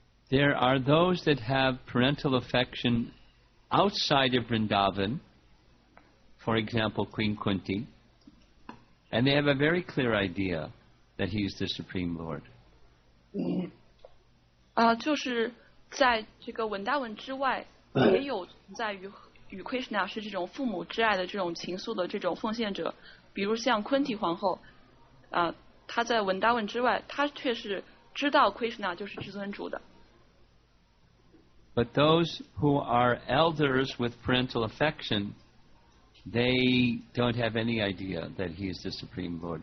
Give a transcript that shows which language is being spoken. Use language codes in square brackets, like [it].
[en] There are those that have parental affection outside of Vrindavan, for example, Queen Kunti, and they have a very clear idea that he is the Supreme Lord. [zh] 就是在这个文达文之外也有在与 Krishna 是这种父母之爱的这种情愫的这种奉献者，比如像昆提皇后啊，她在文达文之外她却是知道 Krishna 就是至尊主的。 [en] But those who are elders with parental affection, they don't have any idea that he is the Supreme Lord.